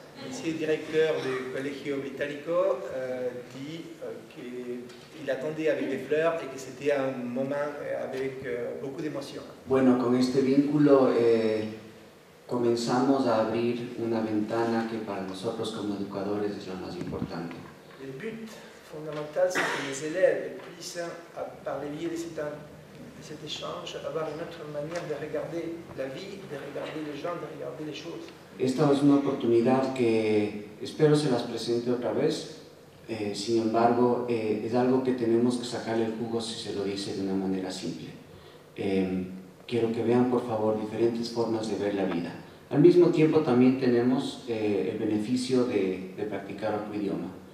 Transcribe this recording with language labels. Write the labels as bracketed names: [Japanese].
[French] Ici le directeur du Colegio Británico dit qu'il attendait avec des fleurs et que c'était un moment avec beaucoup d'émotion. [Spanish] Bueno, con este vínculo comenzamos a abrir una ventana que para nosotros como educadores es la más importante. [French] Le but fondamental c'est que les élèves puissent, par le biais de cet échange, avoir une autre manière de regarder la vie, de regarder les gens, de regarder les choses. [Spanish] Esta es una oportunidad que espero se las presente otra vez, sin embargo, es algo que tenemos que sacarle el jugo si se lo dice de una manera simple. Quiero que vean, por favor, diferentes formas de ver la vida. Al mismo tiempo, también tenemos el beneficio de practicar otro idioma.